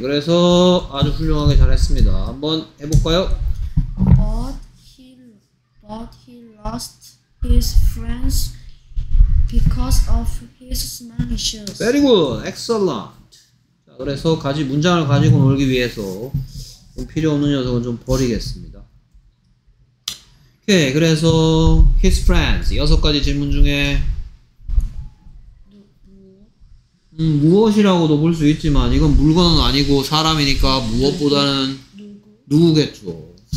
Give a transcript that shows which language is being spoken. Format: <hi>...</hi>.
<ko>그래서 아주 훌륭하게 잘했습니다. 한번 해볼까요?</ko> <en>But he lost his friends because of his smelly shoes. Very good. Excellent.</en> <ko>자, 그래서 가지 문장을 가지고 놀기 위해서 좀 필요 없는 녀석은 좀 버리겠습니다. 오케이. 그래서 his friends 여섯 가지 질문 중에 무엇이라고도 볼 수 있지만 이건 물건은 아니고 사람이니까 무엇보다는 누구겠죠.</ko>